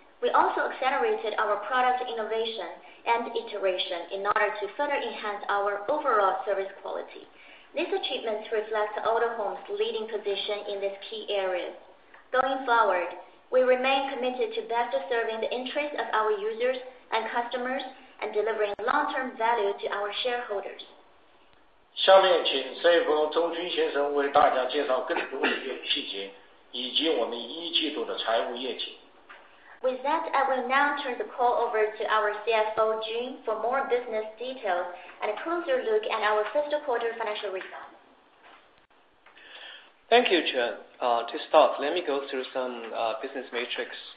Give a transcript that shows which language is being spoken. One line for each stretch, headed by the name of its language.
English: We also accelerated our product innovation and iteration in order to further enhance our overall service quality. These achievements reflect Autohome's leading position in these key areas. Going forward, we remain committed to best serving the interests of our users and customers. And delivering long-term value to our shareholders.
Chinese: 下面请 CFO 周军先生为大家介绍更多的业务细节，以及我们一季度的财务业绩。
English: With that, I will now turn the call over to our CFO Jun for more business details and a closer look at our first quarter financial results. Thank you, Chen. To start, let me go through some business metrics.